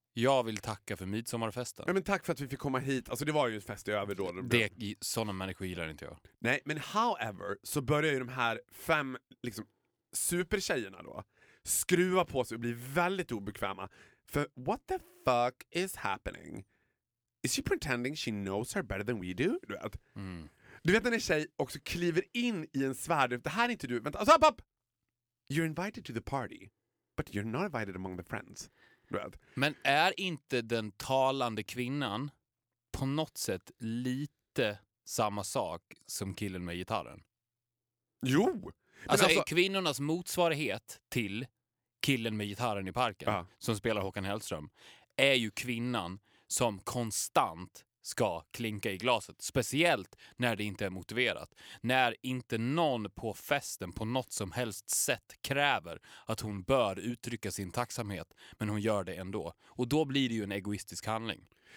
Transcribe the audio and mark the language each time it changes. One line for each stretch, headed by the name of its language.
Swedish: Jag vill tacka för midsommarfesten. Men tack för att vi fick komma hit. Alltså det var ju en fest i över då. Sådana människor gillar inte jag. Nej, men however så börjar ju de här fem liksom supertjejerna då skruva på sig och bli väldigt obekväma. För
English: what the fuck is happening? Is she pretending she knows her better than we do?
Swedish: Du vet. Mm. Du vet när en tjej också kliver in i en svärd. Det här är inte du. Vänta, stopp, stopp!
English: You're invited to the party, but you're not invited among the friends.
Swedish: Du vet. Men är inte den talande kvinnan på något sätt lite samma sak som killen med gitarren? Jo! Alltså är kvinnornas motsvarighet till killen med gitarren i parken, ja, som spelar Håkan Hellström, är ju kvinnan som konstant ska klinka i glaset, speciellt när det inte är motiverat, när inte någon på festen på något som helst sätt kräver att hon bör uttrycka sin tacksamhet, men hon gör det ändå, och då blir det ju en egoistisk handling.